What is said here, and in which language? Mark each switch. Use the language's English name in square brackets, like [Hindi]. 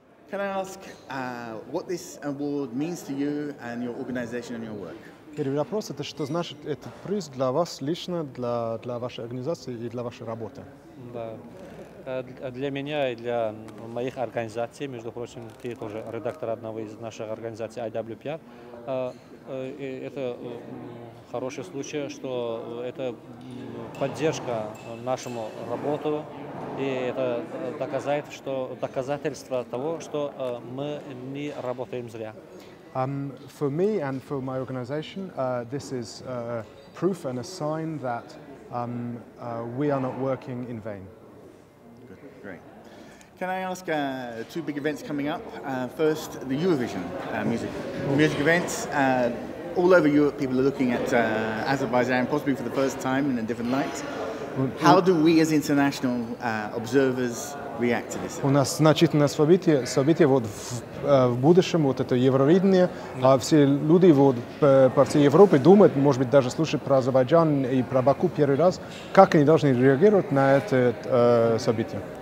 [English] Can I ask what this award means to you and your organization and your work? [Russian] Первый вопрос – это что значит этот приз для вас лично, для вашей организации и для вашей работы? Да. Для меня и для моих организаций, между прочим, ты тоже редактор одного из наших организаций IWPR, это хороший случай, что это поддержка нашему работу, и это доказательство того, что мы не работаем зря. For me and for my organization, this is proof and a sign that we are not working in vain. [English] Good, great. Can I ask two big events coming up? First, the Eurovision music events. All over Europe, people are looking at Azerbaijan, possibly for the first time in a different light. How do we as international observers react to this? [Russian] У нас значительное событие вот в будущем, вот это Евровидение, а все люди вот по всей Европе думают, может быть, даже слушают про Азербайджан и про Баку первый раз, как они должны реагировать на это событие?